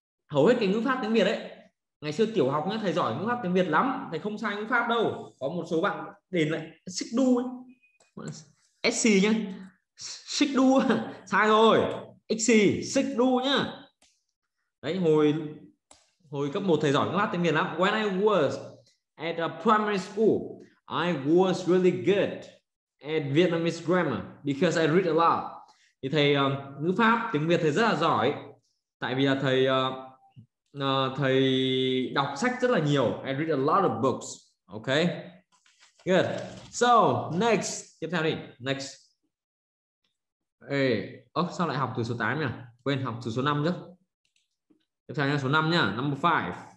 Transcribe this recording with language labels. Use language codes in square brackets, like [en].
[vi] hầu hết cái ngữ pháp tiếng Việt ấy, ngày xưa tiểu học nhá, thầy giỏi ngữ pháp tiếng Việt lắm, thầy không sai ngữ pháp đâu. Có một số bạn đền lại xích đu ấy, SC nhá, xích đu sai rồi, XC xích đu nhá. Đấy, hồi hồi cấp 1 thầy giỏi ngữ pháp tiếng Việt lắm. [en] When I was at a primary school, I was really good at Vietnamese grammar because I read a lot. [vi] Thì thầy ngữ pháp tiếng Việt thầy rất là giỏi, tại vì là thầy thầy đọc sách rất là nhiều. [en] I read a lot of books. Okay, good. So next, [vi] tiếp theo đi. [en] Next. [vi] Ê, sao lại học từ số 8 nhỉ? Quên, học từ số 5 chứ. Tiếp theo nhá, số 5 nhá. [en] Number 5.